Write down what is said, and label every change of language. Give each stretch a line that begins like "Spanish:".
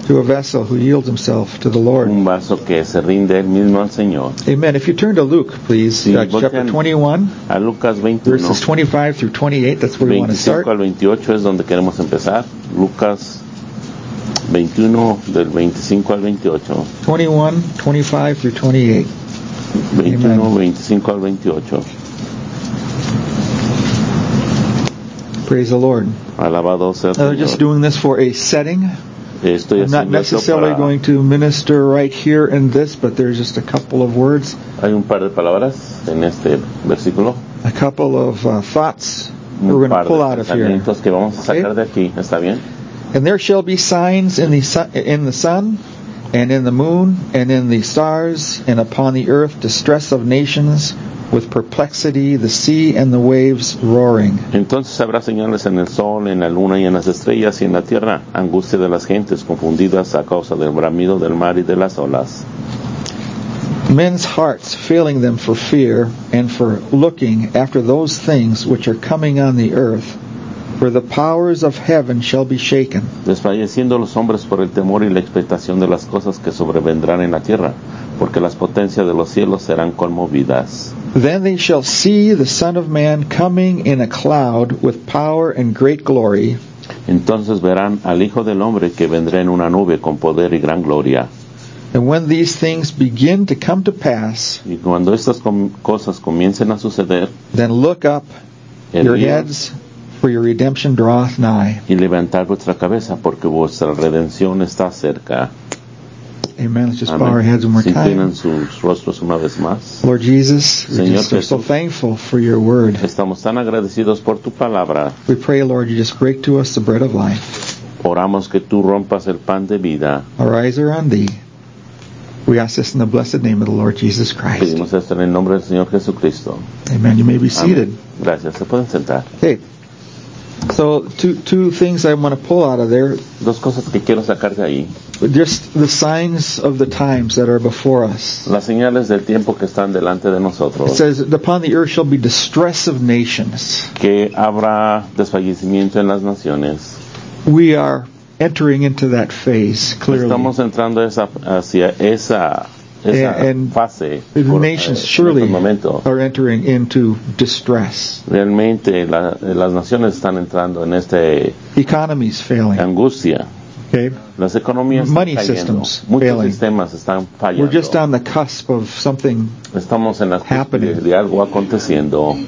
English: to a vessel who yields himself to the Lord.
Spanish: Un vaso que se rinde él mismo al Señor.
English: Amen. If you turn to Luke, please,
Spanish: si
English: chapter 21,
Spanish: a Lucas 21,
English: verses 25 through 28, that's where we want to start.
Spanish: 25 al 28 es donde queremos empezar. Lucas 21, del 25 al 28.
English: 21, 25 through 28.
Spanish: 21, Amen. 25 al 28.
English: Praise the Lord.
Spanish: Alabado sea el Señor.
English: They're just doing this for a setting.
Spanish: Estoy
English: I'm not necessarily going to minister right here in this, but there's just a couple of words.
Spanish: Hay un par de palabras en este versículo.
English: A couple of thoughts we're going to pull out of here.
Spanish: Que vamos a sacar de aquí. ¿Está bien?
English: And there shall be signs in the sun, and in the moon, and in the stars, and upon the earth, distress of nations. With perplexity, the sea and the waves roaring.
Spanish: Entonces habrá señales en el sol, en la luna y en las estrellas y en la tierra, angustia de las gentes confundidas a causa del bramido del mar y de las olas.
English: Men's hearts failing them for fear and for looking after those things which are coming on the earth, for the powers of heaven shall be shaken.
Spanish: Desfalleciendo los hombres por el temor y la expectación de las cosas que sobrevendrán en la tierra, porque las potencias de los cielos serán conmovidas.
English: Then they shall see the Son of Man coming in a cloud with power and great glory.
Spanish: Entonces verán al Hijo del Hombre que vendrá en una nube con poder y gran gloria.
English: And when these things begin to come to pass,
Spanish: y cuando estas cosas comiencen a suceder,
English: then look up your heads, for your redemption draweth nigh.
Spanish: Y levantad vuestra cabeza, porque vuestra redención está cerca.
English: Amen. Let's just bow our heads one more time.
Spanish: Inclinen sus rostros una vez más.
English: Lord Jesus, we're so thankful for your word.
Spanish: Estamos tan agradecidos por tu palabra.
English: We pray, Lord, you just break to us the bread of life.
Spanish: Oramos que tú rompas el pan de vida.
English: Our eyes are on thee. We ask this in the blessed name of the Lord Jesus Christ.
Spanish: Pedimos esto en el nombre del Señor Jesucristo.
English: Amen. You may be seated.
Spanish: Amén. Gracias. Se pueden sentar.
English: Okay. So two things I want to pull out of there.
Spanish: Dos cosas que quiero sacar de ahí.
English: Just the signs of the times that are before us.
Spanish: Las señales del tiempo que están delante de nosotros.
English: It says, upon the earth shall be distress of nations.
Spanish: Que habrá desfallecimiento en las naciones.
English: We are entering into that phase, clearly.
Spanish: Estamos entrando hacia esa fase.
English: The nations surely are entering into distress.
Spanish: Realmente las naciones están entrando en este
English: economies failing.
Spanish: Angustia.
English: Okay. Okay.
Spanish: Las economías están
English: money
Spanish: cayendo.
English: Systems
Spanish: Muchos
English: failing.
Spanish: Sistemas están fallando.
English: We're just on the cusp of something happening.
Spanish: Estamos en la cusp de algo aconteciendo.